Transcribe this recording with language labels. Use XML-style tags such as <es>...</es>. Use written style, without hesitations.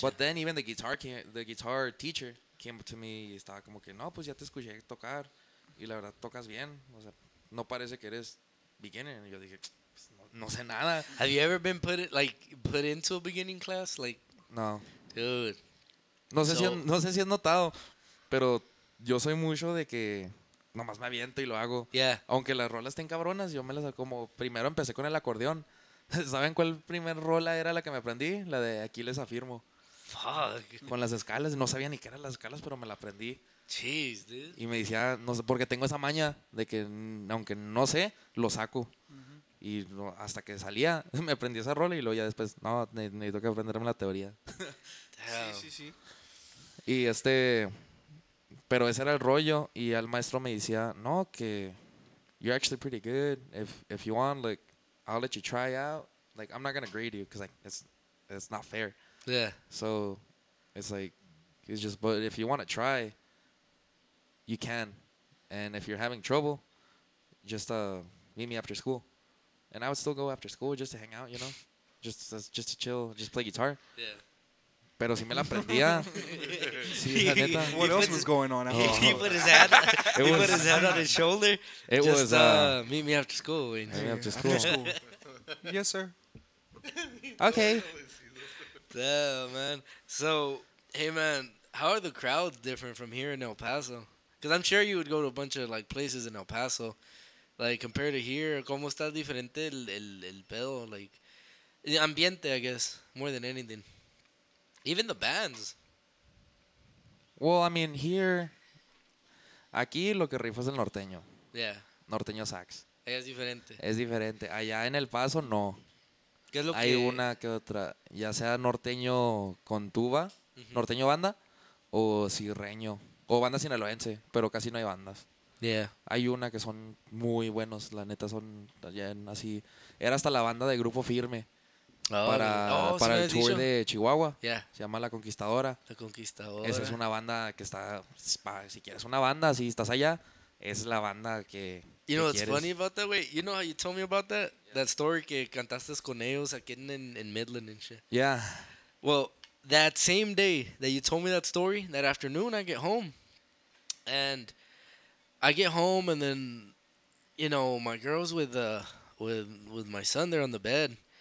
<en>But then even the guitar teacher came to me</en> <es>y estaba como que, no, pues ya te escuché tocar. Y la verdad, tocas bien. O sea, no parece que eres beginner. Y yo dije, no sé nada.</es> <en>Have you ever been put into a beginning class? Like, no. Dude.</en> <es>No sé si has notado, pero yo soy mucho de que nomás me aviento y lo hago.</es> <en>Yeah.</en> <es>Aunque las rolas estén cabronas, yo me las como. Primero empecé con el acordeón. ¿Saben cuál primer rola era la que me aprendí? La de Aquí les afirmo.</es> <en>Fuck.</en> <es>Con las escalas. No sabía ni qué eran las escalas, pero me la aprendí.</es> <en>Jeez, dude.</en> <es>Y me decía, no sé, porque tengo esa maña de que aunque no sé, lo saco. Y hasta que salía, me aprendí esa rola y luego ya después, no, necesito que aprenderme la teoría. Sí. Y pero ese era el rollo y el maestro me decía, no, que</es> <en>you're actually pretty good. If you want, like, I'll let you try out. Like, I'm not going to grade you because, like, it's not fair. Yeah. So, it's like, it's just, but if you want to try, you can. And if you're having trouble, just meet me after school. And I would still go after school just to hang out, you know? Just to chill, just play guitar. Yeah.</en> <es>Pero si me la aprendía. Sí, la neta.</es> <en>What else was going on? He put his hand on his shoulder. It just, was... meet me after school, Wayne. Meet me after school. After school. Yes, sir. Okay. Damn, man. So, hey, man, how are the crowds different from here in El Paso? Because I'm sure you would go to a bunch of, like, places in El Paso. Like, compared to here,</en> <es>¿cómo está diferente el pedo?</es> <en>Like, the ambiente, I guess, more than anything. Even the bands. Well, I mean, here,</en> <es>aquí lo que rifa es el norteño.</es> <en>Yeah.</en> <es>Norteño sax. Es diferente. Es diferente. Allá en El Paso, no. ¿Qué es lo hay que...? Hay una que otra, ya sea norteño con tuba, uh-huh. Norteño banda, o sirreño, o banda sinaloense, pero casi no hay bandas.</es> <en>Yeah.</en> <es>Hay una que son muy buenos, la neta son así. Era hasta la banda de Grupo Firme. para el tour dicho. De Chihuahua.</es> <en>Yeah.</en> <es>Se llama La Conquistadora. La Conquistadora. Esa es una banda que está, si quieres una banda, si estás allá, es la banda que</es> <en>You know what's funny about that, wait, you know how you told me about that? Yeah. That story</en> <es>que cantaste con ellos aquí</es> <en>en Midland and shit. Yeah. Well, that same day that you told me that story, that afternoon I get home. And I get home and then, you know, my girl's with my son there on the bed.</en>